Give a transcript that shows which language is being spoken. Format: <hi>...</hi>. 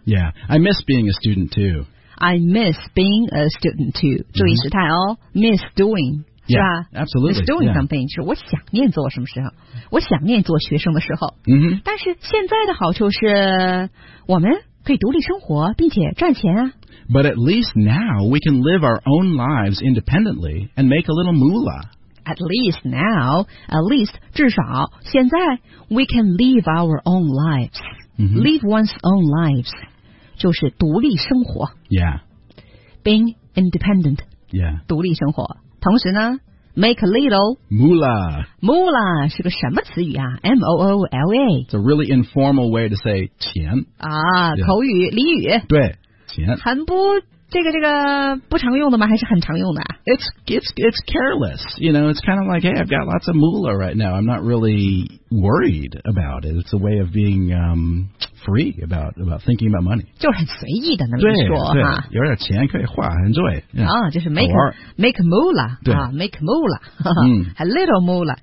<en>Yeah, I miss being a student too. I miss being a student too.</en> <zh>注意时态哦</zh> <en>miss doing, yeah,</en> <zh>是吧</zh> <en>absolutely. Miss doing、 yeah.</en> <zh>something, 是我想念做什么时候我想念做学生的时候、</zh> <en>mm-hmm.</en> <zh>但是现在的好处是我们可以独立生活并且赚钱啊。</zh> <en>But at least now we can live our own lives independently and make a little moolah. At least now, at least,</en> <zh>至少现在</zh> <en>we can live our own lives,、 mm-hmm. live one's own lives,</en> <zh>就是独立生活。</zh> <en>Yeah. Being independent. Yeah.</en> <zh>独立生活。同时呢</zh> <en>make a little moolah.</en> <zh>Moolah 是个什么词语啊 ?M-O-O-L-A.</zh> <en>It's a really informal way to say 钱。</en> <zh>啊、yeah. 口语俚语。对。钱很不这个不常用的吗还是很常用的、啊、</zh> <en>It's careless. You know, it's kind of like, hey, I've got lots of moolah right now. I'm not really worried about it. It's a way of being、free about thinking about money.</en> <zh>就很随意的那么说对对有点钱可以花 enjoy. 就是</zh> <en>make moolah. Make moolah. A little moolah.</en>